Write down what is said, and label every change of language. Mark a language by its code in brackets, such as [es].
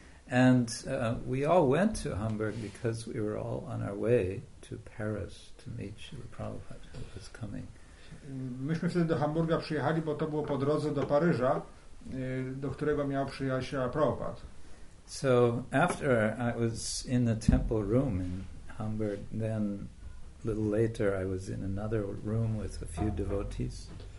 [en] And we all went to Hamburg because we were all on our way to Paris to meet Śrīla Prabhupāda, who was coming. [pl] Myśmy wtedy do Hamburga przyjechali, bo to było po drodze do Paryża, do którego miał przyjechać Śrīla Prabhupāda. [en] So after I was in the temple room in Hamburg, then a little later I was in another room with a few devotees.